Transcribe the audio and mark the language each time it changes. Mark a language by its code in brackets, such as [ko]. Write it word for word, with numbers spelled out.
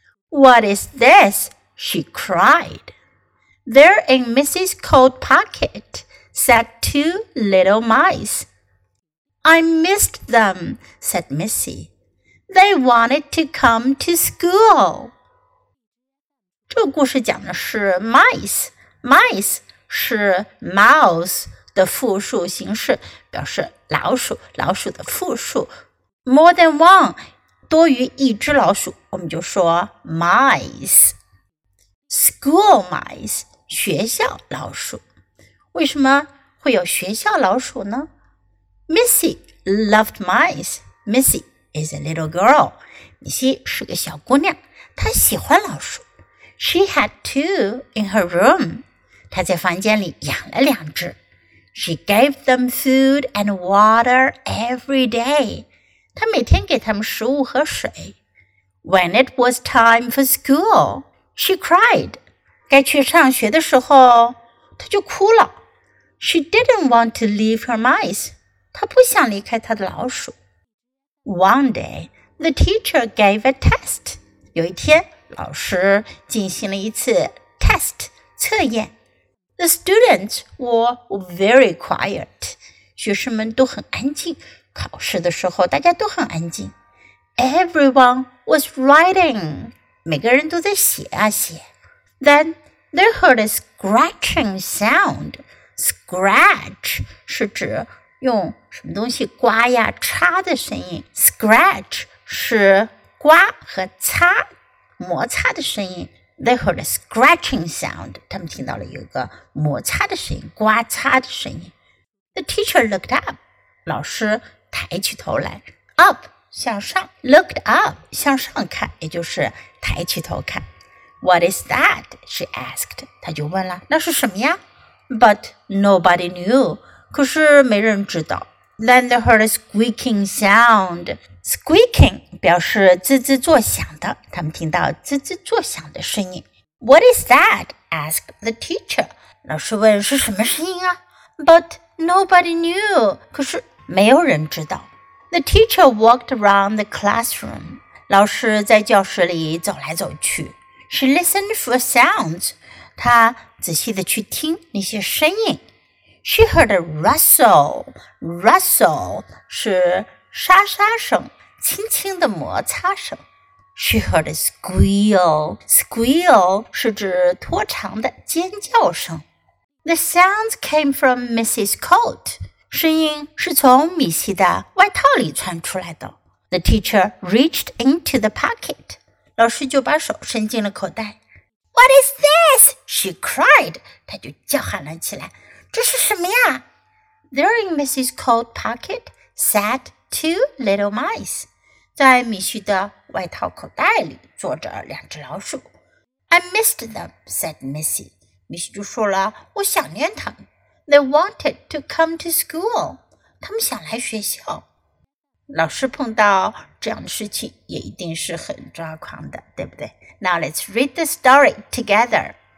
[en] "What is this?" she cried. There in Missy's coat pocket sat two little mice. "I missed them," said Missy. "They wanted to come to school." [zh] 这故事讲的是 mice，mice mice 是 mouse 的复数形式，表示老鼠，老鼠的复数。 [en] more than one [zh] 多于一只老鼠，我们就说 mice。 [en] school mice [zh] 学校老鼠。为什么会有学校老鼠呢？ [en] Missy loved mice. Missy is a little girl. [zh] 米西是个小姑娘，她喜欢老鼠。 [en] She had two in her room. [zh] 她在房间里养了两只。 [en] She gave them food and water every day. [zh] 她每天给他们食物和水。 [en] When it was time for school, she cried. [zh] 该去上学的时候，她就哭了。 [en] She didn't want to leave her mice. [zh] 她不想离开她的老鼠。 [en] One day, the teacher gave a test. [zh] 有一天老师进行了一次 test 测验。 [en] The students were very quiet. [zh] 学生们都很安静，考试的时候大家都很安静。 Everyone was writing. 每个人都在写啊写。 [en] Then they heard a scratching sound. [zh] Scratch 是指用什么东西刮呀擦的声音。 Scratch 是刮和擦。摩擦的声音 [en] They heard a scratching sound. [zh] 他们听到了有一个摩擦的声音，刮擦的声音。 [en] The teacher looked up. [zh] 老师抬起头来。 Up 向上 Looked up 向上看，也就是抬起头看。 [en] What is that? She asked. [zh] 她就问了，那是什么呀？ [en] But nobody knew. [zh] 可是没人知道。 [en] Then they heard a squeaking sound. [zh] Squeaking 表示吱吱作响的，他们听到吱吱作响的声音。 [en] What is that? Asked the teacher. [zh] 老师问是什么声音啊 [en] ？But nobody knew. [zh] 可是没有人知道。 [en] The teacher walked around the classroom. [zh] 老师在教室里走来走去。 [en] She listened for sounds. [zh] 她仔细地去听那些声音。 [en] She heard a rustle. [zh] Rustle 是沙沙声，轻轻的摩擦声。 [en] She heard a squeal. [zh] Squeal 是指拖长的尖叫声。 [en] The sounds came from Missy's coat. [zh] 声音是从米西的外套里传出来的。 [en] The teacher reached into the pocket. [zh] 老师就把手伸进了口袋。 [en] What is this? She cried. [zh] 她就叫喊了起来。这是什么呀 [en] ？There in Missy's coat pocket sat two little mice. [zh] 在米西的外套口袋里坐着两只老鼠。 [en] I missed them, said Missy. [zh] 米西就说了，我想念他们。 [en] They wanted to come to school. [zh] 他们想来学校。老师碰到这样的事情也一定是很抓狂的，对不对 ？ [en] Now let's read the story together.